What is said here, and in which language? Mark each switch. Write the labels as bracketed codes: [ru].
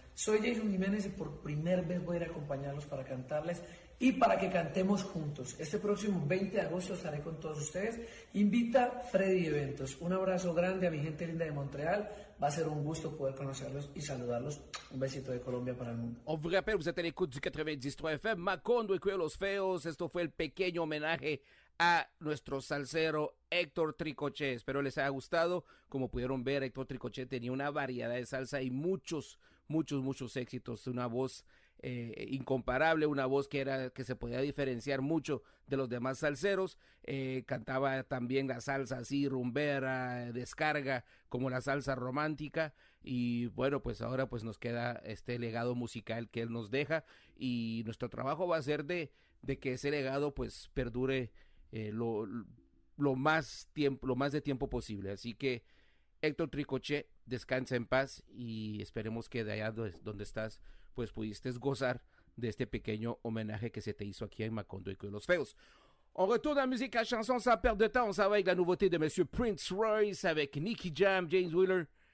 [es] Soy Jason Jiménez y por primera vez voy a ir a acompañarlos para cantarles y para que cantemos juntos. Este próximo 20 de agosto estaré con todos ustedes. Invita Freddy Eventos. Un abrazo grande a mi gente linda de Montreal. Va a ser un gusto poder conocerlos y saludarlos. Un besito de Colombia para el mundo. [fr] On vous rappelle, vous êtes à l'écoute du 93 FM, Macondo y Cuellos Feos. [es] Esto fue el pequeño homenaje a nuestro salsero Héctor Tricoche. Espero les haya gustado. Como pudieron ver, Héctor Tricoche tenía una variedad de salsa y muchos éxitos. Una voz incomparable, una voz que se podía diferenciar mucho de los demás salseros. Cantaba también la salsa así, rumbera, descarga, como la salsa romántica. Y bueno, pues ahora pues nos queda este legado musical que él nos deja. Y nuestro trabajo va a ser de que ese legado pues perdure lo más de tiempo posible. Así que Héctor Tricoche, descansa en paz y esperemos que de allá donde estás pues pudiste gozar de este pequeño homenaje que se te hizo aquí en Macondo y con los Feos. [fr] On retourne à musique à chanson sans perdre de temps. On s'en va avec la nouveauté de Monsieur Prince Royce avec Nicky Jam, Jay Wheeler.